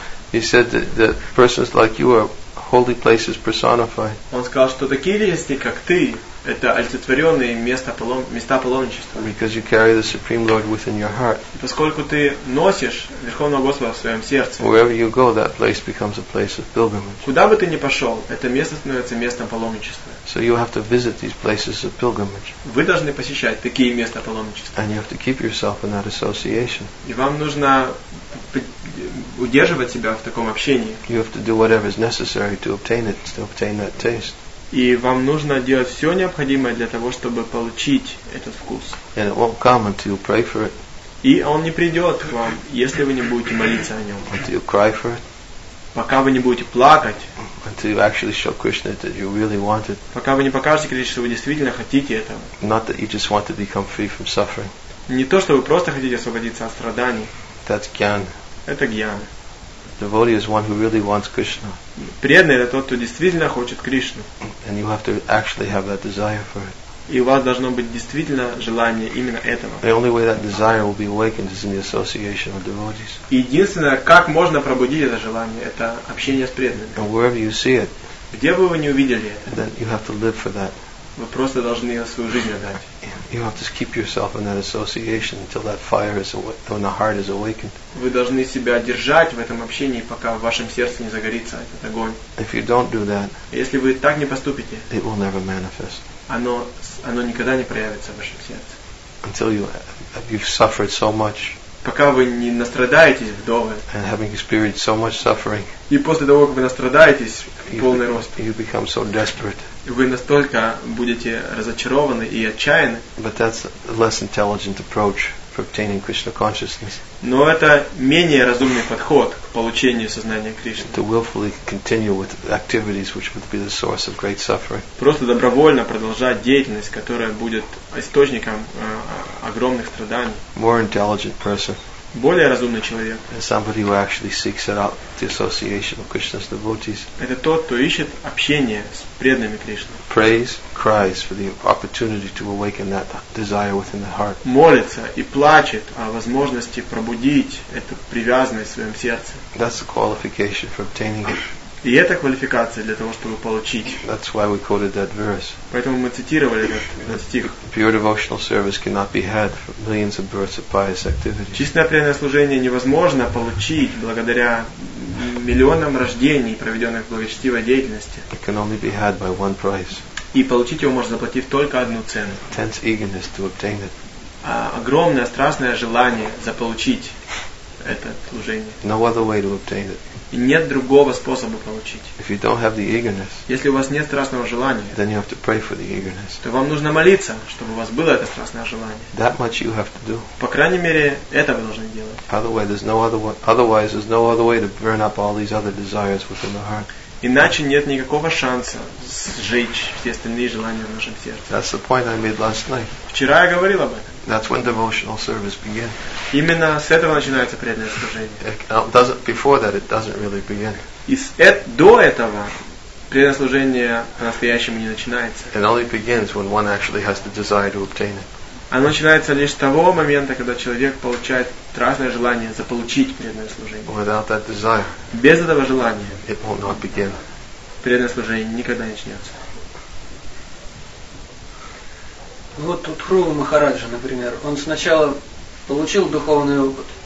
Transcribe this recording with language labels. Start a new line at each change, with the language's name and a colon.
English: He said that persons like you are holy places personified.
Russian: Он сказал, что такие личности, как ты, это олицетворенные места паломничества.
English: Because you carry the Supreme Lord within your heart.
Russian: Поскольку ты носишь Верховного Господа в своем сердце.
English: Wherever you go, that place becomes a place of pilgrimage.
Russian: Куда бы ты ни пошел, это место становится местом паломничества.
English: So you have to visit these places of pilgrimage.
Russian: Вы должны посещать такие места паломничества.
English: And you have to keep yourself in that association.
Russian: И вам нужно удерживать себя в таком общении.
English: You have to do whatever is necessary to obtain it, to obtain that taste.
Russian: И вам нужно делать все необходимое для того, чтобы получить этот вкус.
English: And it won't come until you pray for it.
Russian: И он не придет к вам, если вы не будете молиться о нем.
English: Until you cry for it.
Russian: Пока вы не будете плакать.
English: Until you actually show Krishna that you really want it.
Russian: Пока вы не покажете Кришне, что вы действительно хотите этого.
English: Not that you just want to become free from suffering.
Russian: Не то, что вы просто хотите освободиться от страданий.
English: That's gyan.
Russian: Это гьяна.
English: Devotee is one who really wants Krishna.
Russian: Преданный это тот, кто действительно хочет Кришну.
English: And you have to actually have that desire for it.
Russian: И у вас должно быть действительно желание именно этого.
English: The only way that desire will be awakened is in the association of devotees.
Russian: Единственное, как можно пробудить это желание, это общение с преданными.
English: And wherever you see it,
Russian: где бы вы не увидели это,
English: then you have to live for that.
Russian: Вы просто должны свою жизнь отдать.
English: You have to keep yourself in that association until that fire is when the heart is awakened.
Russian: Вы должны себя держать в этом общении, пока в вашем сердце не загорится этот огонь.
English: If you don't do that,
Russian: если вы так не поступите,
English: it will never manifest.
Russian: Оно никогда не проявится в вашем сердце.
English: Until you've suffered so much.
Russian: Пока вы не настрадаетесь вдоволь.
English: And having experienced so much suffering.
Russian: И после того, как вы настрадаетесь в полный рост.
English: You become so desperate.
Russian: Вы настолько будете разочарованы и отчаянны.
English: But that's a less intelligent approach for obtaining Krishna consciousness.
Russian: Но это менее разумный подход к получению сознания Кришны.
English: To willfully continue with activities which would be the source of great suffering.
Russian: Просто добровольно продолжать деятельность, которая будет источником огромных страданий.
English: More intelligent person.
Russian: Более разумный человек.
English: And somebody who actually seeks out the association of Krishna's devotees.
Russian: Это тот, кто ищет общение с преданными Кришны.
English: Prays, cries for the opportunity to awaken that desire within the heart.
Russian: Молится и плачет о возможности пробудить эту привязанность в своем сердце.
English: That's the qualification for obtaining it.
Russian: И это квалификация для того, чтобы получить.
English: That's why we quoted that verse.
Russian: Поэтому мы цитировали этот стих.
English: Pure devotional service cannot be had from millions of births of pious activity.
Russian: Чистое преданное служение невозможно получить благодаря миллионам рождений, проведенных в благочестивой деятельности.
English: It can only be had by one price.
Russian: И получить его можно, заплатив только одну цену.
English: Intense eagerness to obtain it.
Russian: Огромное страстное желание заполучить это служение.
English: No other way to obtain it.
Russian: И нет другого способа получить.
English: If you don't have the eagerness,
Russian: если у вас нет страстного желания,
English: then you have to pray for the eagerness.
Russian: То вам нужно молиться, чтобы у вас было это страстное желание.
English: That much you have to do.
Russian: По крайней мере, это вы должны делать.
English: Otherwise, there's no other way to burn up all these other desires within the heart.
Russian: Иначе нет никакого шанса сжечь все остальные желания в нашем сердце.
English: That's the point I made last night.
Russian: Вчера я говорил об этом.
English: That's when devotional service begins.
Russian: Именно с этого начинается преданное служение.
English: Before that, it doesn't really begin.
Russian: До этого преданное служение по-настоящему не начинается.
English: It only begins when one actually has the desire to obtain it.
Russian: Оно начинается лишь с того момента, когда человек получает страстное желание заполучить преданное служение.
English: Without that desire,
Russian: без этого желания,
English: it will not begin.
Russian: Преданное служение никогда не начнется. Вот тут Хрува Махараджа, например, он сначала получил духовный опыт.